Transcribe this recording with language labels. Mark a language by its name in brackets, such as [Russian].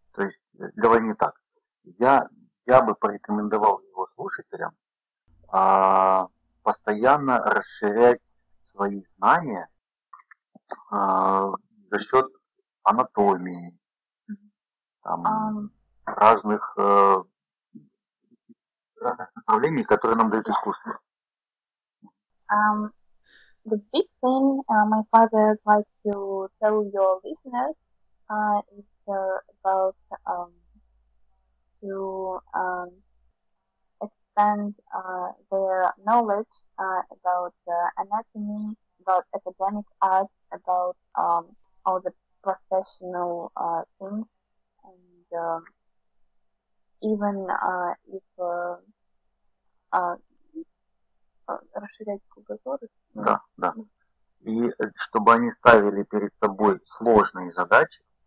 [Russian] То есть, говоря не так, я бы порекомендовал его слушателям постоянно расширять свои знания за счет анатомии, там, разных направлений, которые нам дают искусство. [English] The big thing my father would like to tell your listeners is about to expand their knowledge about anatomy, about academic art, about all the professional things, and even if [Russian] расширять кругозор. Да, да. И чтобы они ставили перед собой сложные задачи.